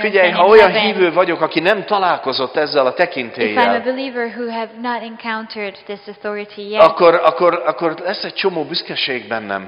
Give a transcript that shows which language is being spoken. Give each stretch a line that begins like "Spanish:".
Hungarian: Figyelj, ha olyan hívő vagyok, aki nem találkozott ezzel a tekintéllyel,
English: if I'm a believer who have not encountered this authority yet,
Hungarian: akkor lesz egy csomó büszkeség bennem.